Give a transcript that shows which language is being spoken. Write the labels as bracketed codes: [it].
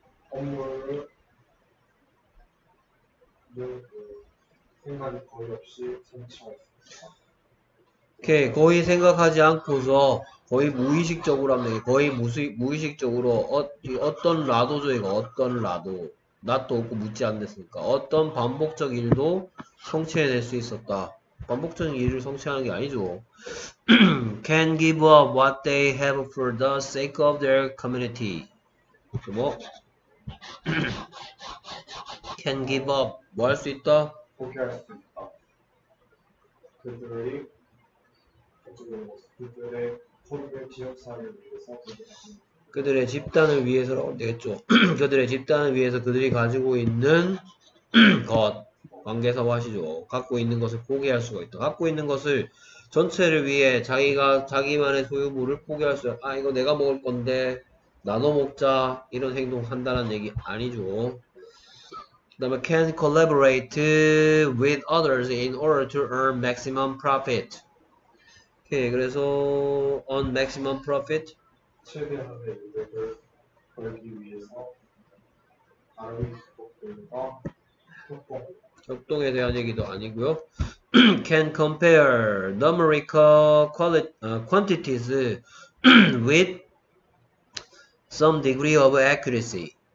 [ko] 오케이, 거의 생각하지 않고서 거의 무의식적으로 하면 돼. 거의 무의식적으로 어떤 라도죠, 이거. 어떤 라도. 낫도 없고 묻지 않았으니까. 어떤 반복적 일도 성취해낼 수 있었다. 반복적인 일을 성취하는 게 아니죠. [en] Can give up what they have for the sake of their community. [ko] 뭐? Can give up 뭐 할 수 있다? 포기할 수 있다. 그들의 그들의 포기의 지역사회를 위해서 그들의 집단을 위해서라고 되겠죠. 그들의 집단을 위해서 그들이 가지고 있는 것 관계사고 하시죠. 갖고 있는 것을 포기할 수가 있다. 갖고 있는 것을 전체를 위해 자기가 자기만의 소유물을 포기할 수 있다. 아 이거 내가 먹을 건데 나눠 먹자 이런 행동 한다는 얘기 아니죠. [en] 그 다음에 can collaborate with others in order to earn maximum profit. 오케이, 그래서 earn maximum profit [ko] 최대한의 이득을 벌기 위해서 다른 국가들과 협동에 대한 얘기도 아니고요. [en] can compare numerical quantities with some degree of accuracy.